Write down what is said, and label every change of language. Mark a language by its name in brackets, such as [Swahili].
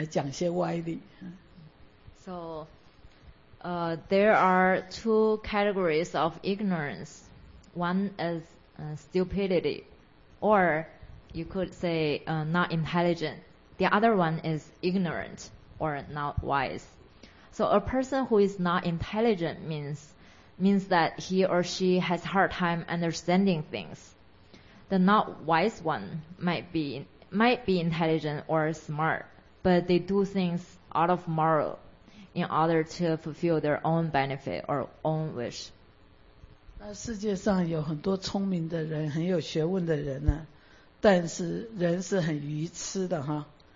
[Chinese] 愚笨呢，就是脑子不清楚，反应慢，对事情的理解度不够。那愚蠢呢，是头脑是很清楚，反应也很快，就是不讲理，为了自己的利益啊，可以讲些歪理。So, [English] there are two categories of ignorance. One is stupidity, or you could say not intelligent. The other one is ignorant or not wise. So a person who is not intelligent means that he or she has hard time understanding things. The not wise one might be intelligent or smart, but they do things out of moral in order to fulfill their own benefit or own wish. [Chinese] 那世界上有很多聪明的人，很有学问的人呢，但是人是很愚痴的哈。